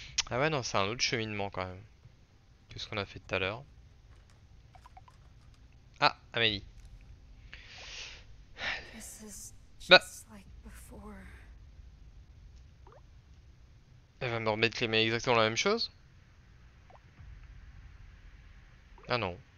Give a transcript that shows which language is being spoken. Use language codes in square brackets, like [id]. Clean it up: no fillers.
[fr] Ah ouais, non, c'est un autre cheminement quand même. Que ce qu'on a fait tout à l'heure. Ah, Amélie. [en] This is just like before. [fr] Elle va me remettre les mains exactement la même chose? Ah non.